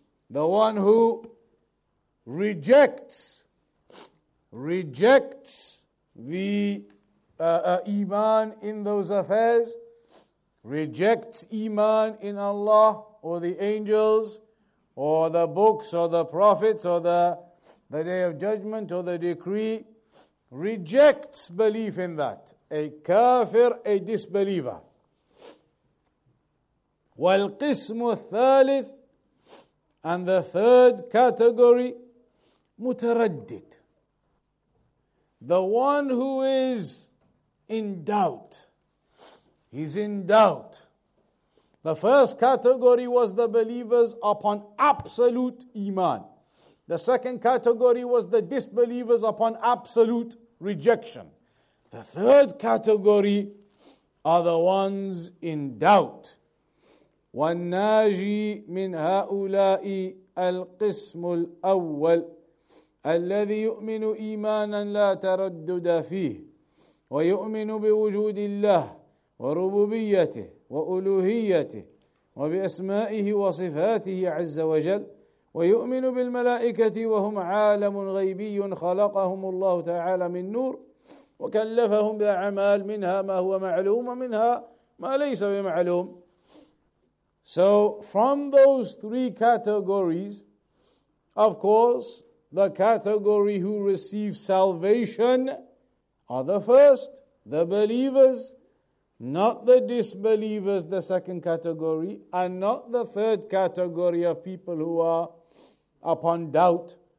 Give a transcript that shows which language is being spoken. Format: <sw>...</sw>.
<en>The one who rejects the iman in those affairs, rejects iman in Allah or the angels or the books or the prophets or the day of judgment or the decree, rejects belief in that. A kafir, a disbeliever.</en> <ar>والقسم الثالث,</ar> <en>and the third category,</en> <ar>متردد.</ar> <en>The one who is in doubt. He's in doubt. The first category was the believers upon absolute iman. The second category was the disbelievers upon absolute rejection. The third category are the ones in doubt.</en> <ar>وَالنَّاجِي مِنْ هَؤُلَاءِ الْقِسْمُ الْأَوَّلِ الَّذِي يُؤْمِنُ إِيمَانًا لَا تَرَدُّدَ فِيهِ وَيُؤْمِنُ بِوُجُودِ اللَّهِ وَرُبُوبِيَّتِهِ وَأُلُوهِيَّتِهِ وَبِأَسْمَائِهِ وَصِفَاتِهِ عَزَّ وَجَلْ ويؤمن بالملائكة وهم عالم غيبي خلقهم الله تعالى من نور وكلفهم بأعمال منها ما هو معلوم ومنها ما ليس بمعلوم.</ar> <en>So from those three categories, of course, the category who receives salvation are the first, the believers, not the disbelievers, the second category, and not the third category of people who are upon doubt.</en>